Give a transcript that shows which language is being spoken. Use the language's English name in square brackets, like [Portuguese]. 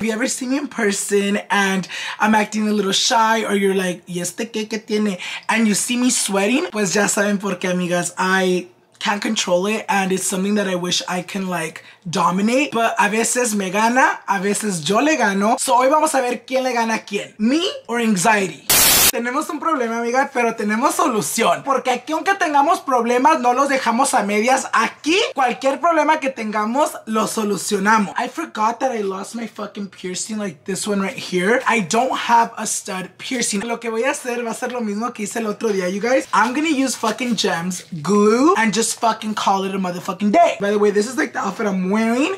[English] If you ever see me in person and I'm acting a little shy, or you're like, [Spanish] ¿y este qué que tiene? [English] And you see me sweating, [Spanish] pues ya saben por qué, amigas. [English] I can't control it, and it's something that I wish I can like dominate, but [Spanish] a veces me gana, a veces yo le gano. So hoy vamos a ver quién le gana a quién, [English] me or anxiety. [Spanish] Tenemos un problema, amiga, pero tenemos solución. Porque aquí, aunque tengamos problemas, no los dejamos a medias. Aquí, cualquier problema que tengamos, lo solucionamos. [English] I forgot that I lost my fucking piercing, like this one right here. I don't have a stud piercing. [Spanish] Lo que voy a hacer va a ser lo mismo que hice el otro día, [English] you guys. I'm gonna use fucking gems, glue, and just fucking call it a motherfucking day. By the way, this is like the outfit I'm wearing.